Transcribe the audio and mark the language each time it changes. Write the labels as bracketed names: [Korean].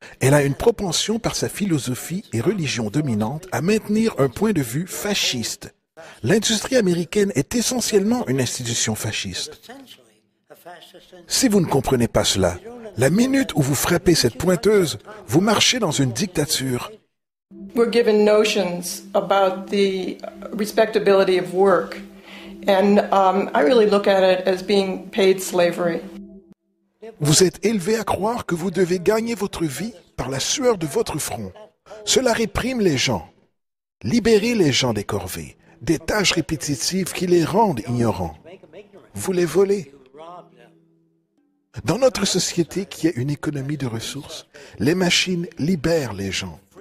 [French] Elle a une propension par sa philosophie et religion dominante à maintenir un point de vue fasciste. L'industrie américaine est essentiellement une institution fasciste. Si vous ne comprenez pas cela, la minute où vous frappez cette pointeuse, vous marchez dans une dictature. [English] We're given notions about the respectability of work. And I really look at it as being paid slavery. [French] Vous êtes élevé à croire que vous devez gagner votre vie par la sueur de votre front. Cela réprime les gens. Libérez les gens des corvées, des tâches répétitives qui les rendent ignorants. Vous les volez. Dans notre société qui est une économie de ressources, les machines libèrent les gens.